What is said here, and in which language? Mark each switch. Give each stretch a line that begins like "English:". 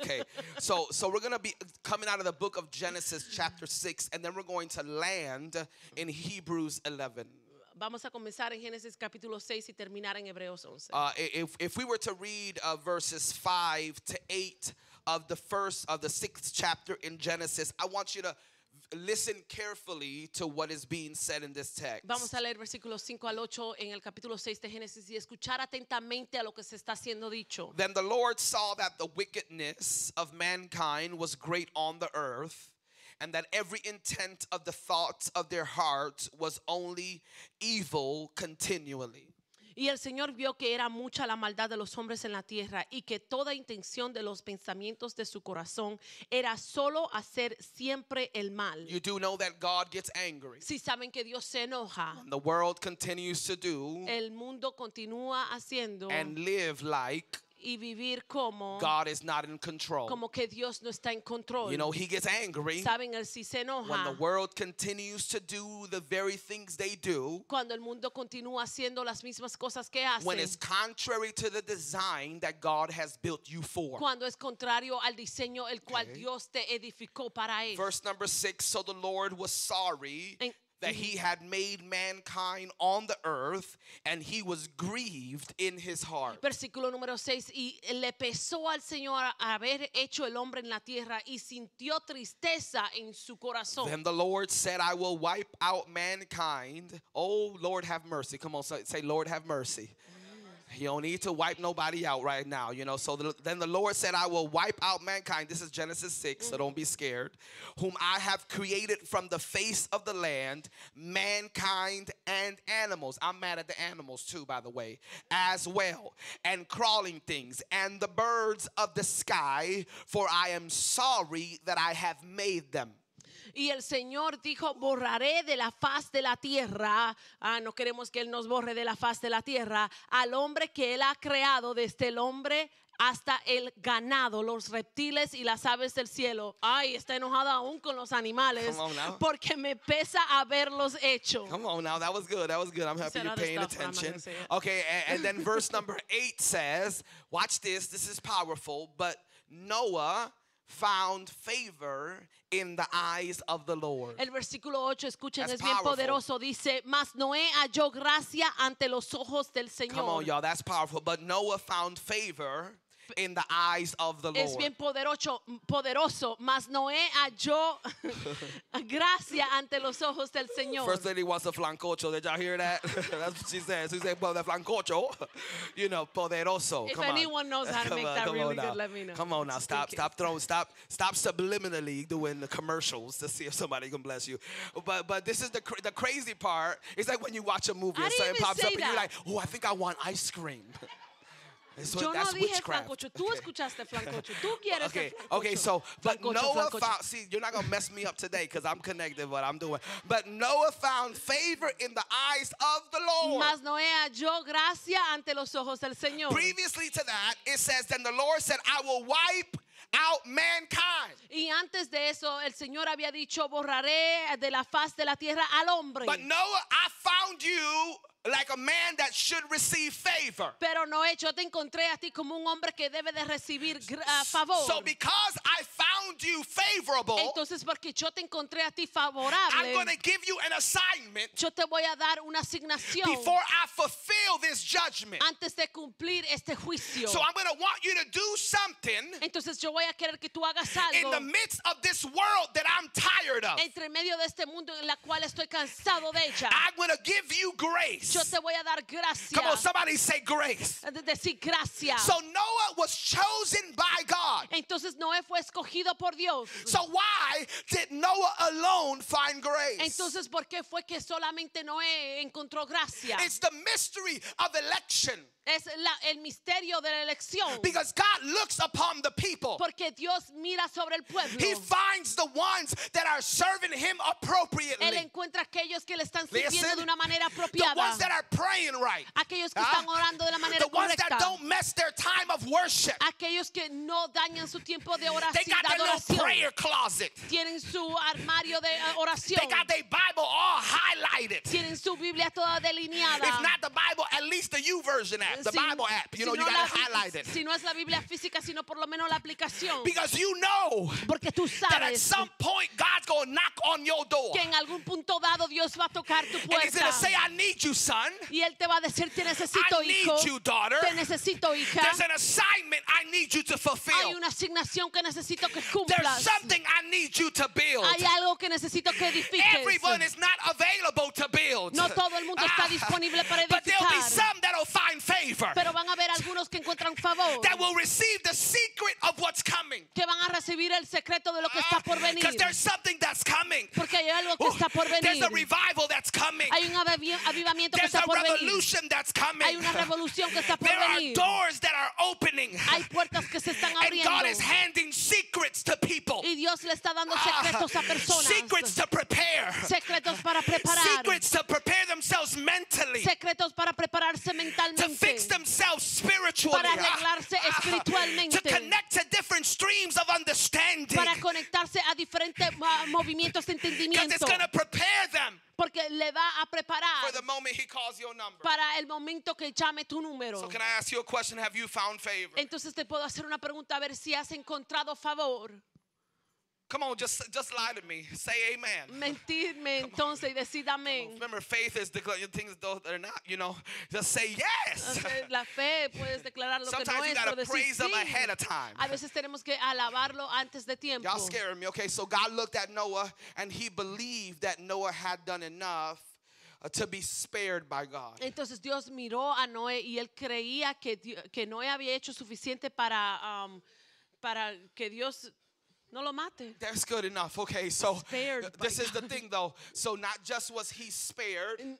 English: Okay, so we're going to be coming out of the book of Genesis chapter 6, and then we're going to land in Hebrews 11.
Spanish: Vamos a comenzar en Génesis capítulo 6 y terminar en Hebreos 11.
English: If we were to read verses 5 to 8 of the first, of the sixth chapter in Genesis, I want you to listen carefully to what is being said in this text.
Spanish: Vamos a leer versículos 5 al 8 en el capítulo 6 de Génesis y escuchar atentamente a lo que se está siendo dicho.
English: Then the Lord saw that the wickedness of mankind was great on the earth, and that every intent of the thoughts of their hearts was only evil continually.
Spanish: Y el Señor vio que era mucha la maldad de los hombres en la tierra y que toda intención de los pensamientos de su corazón era solo hacer siempre el mal.
English: You do know that God gets angry.
Spanish: Si saben que Dios se enoja.
English: And the world continues to do.
Spanish: El mundo continúa haciendo.
English: And live like.
Spanish: Y vivir como.
English: God is not in control.
Spanish: Como que Dios no está en control.
English: You know, he gets angry.
Spanish: Saben, él sí se enoja.
English: When the world continues to do the very things they do.
Spanish: Cuando el mundo continúa haciendo las mismas cosas que hace.
English: When it's contrary to the design that God has built you for.
Spanish: Cuando es contrario al diseño el cual Dios te edificó para él.
English: Verse number 6, so the Lord was sorry that he had made mankind on the earth, and he was grieved in his heart.
Spanish: Versículo número 6, y le pesó al Señor haber hecho el hombre en la tierra, y sintió tristeza en su corazón.
English: Then the Lord said, I will wipe out mankind. Oh, Lord, have mercy. Come on, say, Lord, have mercy. You don't need to wipe nobody out right now, you know. So then the Lord said, I will wipe out mankind. This is Genesis 6, so don't be scared. Whom I have created from the face of the land, mankind and animals. I'm mad at the animals too, by the way, as well. And crawling things and the birds of the sky, for I am sorry that I have made them.
Spanish: Y el Señor dijo, borraré de la faz de la tierra, no queremos que Él nos borre de la faz de la tierra, al hombre que Él ha creado, desde el hombre hasta el ganado, los reptiles y las aves del cielo. Ay, está enojado aún con los animales, porque me pesa haberlos hecho.
English: Come on now, that was good. I'm happy you're paying attention. Okay, and then verse number 8 says, watch this is powerful, but Noah found favor in the eyes of the Lord.
Spanish: El versículo 8, escuchen, es bien poderoso. Dice, mas Noé halló gracia ante los ojos del Señor.
English: Come on, y'all, that's powerful. But Noah found favor in the eyes of the Lord.
Spanish: Es bien poderoso. Mas Noé halló gracia ante los ojos del Señor.
English: First lady wants a flancocho. Did y'all hear that? That's what she says. She said, well, the flancocho. You know, poderoso. If come anyone on. Knows how to make that really good, let me know. Come on now. Stop. Stop throwing. Stop subliminally doing the commercials to see if somebody can bless you. But this is the crazy part. It's like when you watch a movie and something pops up that. And you're like, oh, I think I want ice cream.
Spanish: So yo
English: that's
Spanish: no dije
English: witchcraft.
Spanish: Tú escuchaste flancocho. Tú quieres
English: okay.
Spanish: flancocho.
English: Okay, so, but Noah found, see, you're not going to mess me up today because I'm connected what I'm doing. But Noah found favor in the eyes of the Lord.
Spanish: Mas Noé halló gracia ante los ojos del Señor.
English: Previously to that, it says, then the Lord said, I will wipe out mankind.
Spanish: Y antes de eso, el Señor había dicho, borraré de la faz de la tierra al hombre.
English: But Noah, I found you like a man that should receive favor.
Spanish: Pero Noé, yo te encontré a ti como un hombre que debe de recibir favor.
English: So because I found you favorable,
Spanish: entonces porque yo te encontré a ti favorable,
English: I'm going to give you an assignment.
Spanish: Yo te voy a dar una asignación.
English: Before I fulfill this judgment,
Spanish: antes de cumplir este juicio.
English: So I'm going to want you to do something.
Spanish: Entonces yo voy a querer que tú hagas algo.
English: In the midst of this world that I'm tired of,
Spanish: entre medio de este mundo en la cual estoy cansado de ella.
English: I'm going to give you grace.
Spanish: Yo te voy a dar gracia.
English: Come on, somebody say grace.
Spanish: Decir gracia.
English: So Noah was chosen by God.
Spanish: Entonces Noé fue escogido por Dios.
English: So why did Noah alone find grace?
Spanish: Entonces, ¿por qué fue que solamente Noé encontró gracia?
English: It's the mystery of election.
Spanish: Es la, el misterio de la elección.
English: Because God looks upon the people.
Spanish: Porque Dios mira sobre el pueblo.
English: He finds the ones that are serving him appropriately.
Spanish: Él encuentra aquellos que le están sirviendo de una manera apropiada.
English: The ones that are praying right.
Spanish: Aquellos que están orando de la manera correcta.
English: The ones that don't mess their time of worship.
Spanish: Aquellos que no dañan su tiempo de oración.
English: They got their little prayer closet.
Spanish: Tienen su armario de oración.
English: They got their Bible all highlighted.
Spanish: Tienen su Biblia toda delineada.
English: If not the Bible, at least the YouVersion. App, the
Spanish: si,
English: Bible app, you know, you got it highlighted.
Spanish: Si no es la Biblia física, sino por lo menos la aplicación.
English: Because you know,
Spanish: porque tú sabes,
English: that at some point God's gonna knock on your door.
Spanish: Que en algún punto dado Dios va a tocar tu puerta.
English: And he's gonna say, I need you, son.
Spanish: Y él te va a decir, te necesito,
English: I
Spanish: hijo.
English: I need you, daughter.
Spanish: Te necesito, hija.
English: There's an assignment I need you to fulfill.
Spanish: Hay una asignación que necesito que cumplas.
English: There's something I need you to build.
Spanish: Hay algo que necesito que edifiques.
English: Everyone is not available to build.
Spanish: No todo el mundo está disponible para edificar.
English: But there'll be some that'll find faith.
Spanish: Pero van a haber algunos que encuentran favor.
English: That will receive the secret of what's coming.
Spanish: Que van a recibir el secreto de lo que está por venir.
English: Because there's something that's coming.
Spanish: Porque hay algo que está por venir.
English: There's a revival that's coming.
Spanish: Hay un avivamiento
English: there's
Spanish: que está por venir.
English: There's a revolution that's coming.
Spanish: Hay una revolución que está por
English: there
Spanish: venir.
English: There are doors that are opening.
Spanish: Hay puertas que se están abriendo.
English: And God is handing secrets to people.
Spanish: Y Dios le está dando secretos a personas.
English: Secrets to prepare.
Spanish: Secretos para preparar.
English: Secrets to prepare themselves mentally.
Spanish: Secretos para prepararse mentalmente.
English: Fix themselves spiritually.
Spanish: Para espiritualmente.
English: To connect to different streams of understanding.
Spanish: Para conectarse a diferentes movimientos de entendimiento.
English: Because it's going to prepare them.
Spanish: Porque le va a preparar.
English: For the moment he calls your number.
Spanish: Para el momento que llame tu número.
English: So can I ask you a question? Have you found favor?
Spanish: Entonces te puedo hacer una pregunta a ver si has encontrado favor.
English: Come on, just lie to me. Say amen.
Spanish: Mentirme entonces y decir amén.
English: Remember, faith is declaring things that are not, you know. Just say yes.
Spanish: La fe puedes declarar lo que no es.
English: Sometimes you gotta praise them ahead of time.
Spanish: A veces tenemos que alabarlo antes de tiempo.
English: Y'all scaring me. Okay, so God looked at Noah and he believed that Noah had done enough to be spared by God.
Spanish: Entonces Dios miró a Noé y él creía que Noé había hecho suficiente para que Dios no lo mate.
English: That's good enough. Okay, so spared this is God. The thing, though. So not just was he spared.